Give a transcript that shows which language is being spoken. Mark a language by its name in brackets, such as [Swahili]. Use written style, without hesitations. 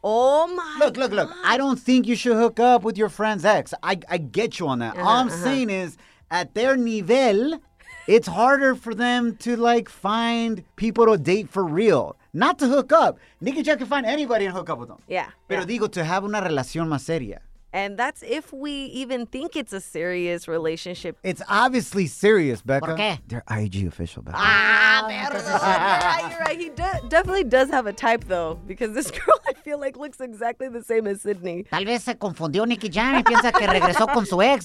[English] Oh, my. Look. I don't think you should hook up with your friend's ex. I get you on that. Uh-huh, all I'm saying is, at their nivel, it's harder for them to, like, find people to date for real. Not to hook up. Nicky Jam can find anybody and hook up with them. Yeah. [Spanish] Pero digo, [English] to have [Spanish] una relación más seria. [English] And that's if we even think it's a serious relationship. It's obviously serious, Becca. [Spanish] ¿Por qué? [English] They're IG official, Becca. [Spanish] Ah, merda. [English] You're right. He definitely does have a type, though, because this girl, I feel like, looks exactly the same as Sidney. [Spanish] Tal vez se confundió Nicky Jam y piensa que regresó con su ex.